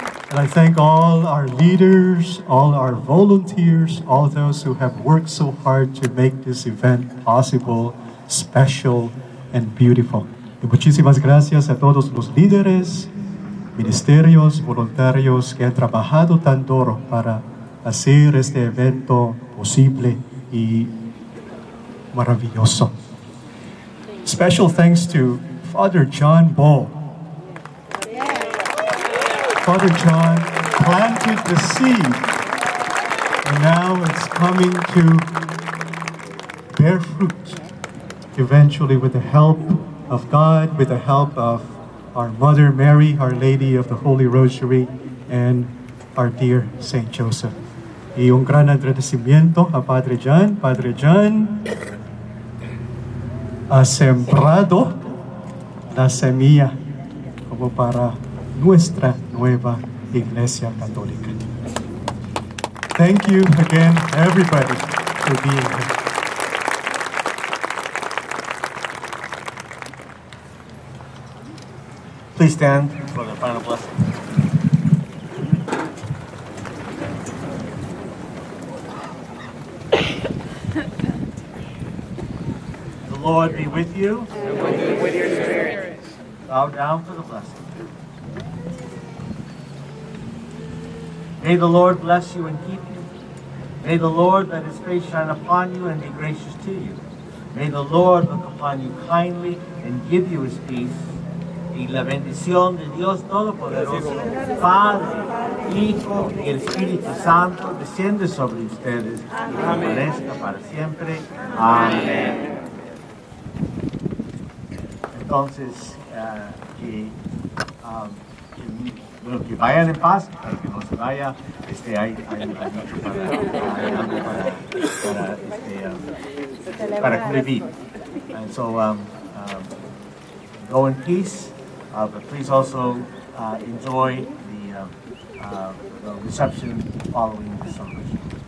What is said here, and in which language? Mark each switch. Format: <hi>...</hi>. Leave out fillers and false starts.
<en>And I thank all our leaders, all our volunteers, all those who have worked so hard to make this event possible, special, and beautiful.</en> <es>Y muchísimas gracias a todos los líderes, ministerios, voluntarios que han trabajado tan duro para hacer este evento posible y maravilloso.</es> <en>Special thanks to Father John Ball. Father John planted the seed, and now it's coming to bear fruit, eventually with the help of God, with the help of our Mother Mary, Our Lady of the Holy Rosary, and our dear Saint Joseph.</en> <es>Y un gran agradecimiento a Padre John. Padre John ha sembrado la semilla como para nuestra nueva Iglesia Católica.</es> <en>Thank you again, everybody, for being here. Please stand for the final blessing. The Lord be with you. And with your spirit. Bow down for the blessing. May the Lord bless you and keep you. May the Lord let his face shine upon you and be gracious to you. May the Lord look upon you kindly and give you his peace.</en> <es>Y la bendición de Dios Todopoderoso, Padre, Hijo y el Espíritu Santo, desciende sobre ustedes y permanezca para siempre. Amén. Entonces, que vayan en paz, para que no se vaya, hay mucho para convivir.</es> <en>And so, go in peace. But please also enjoy the reception following the celebration.</en>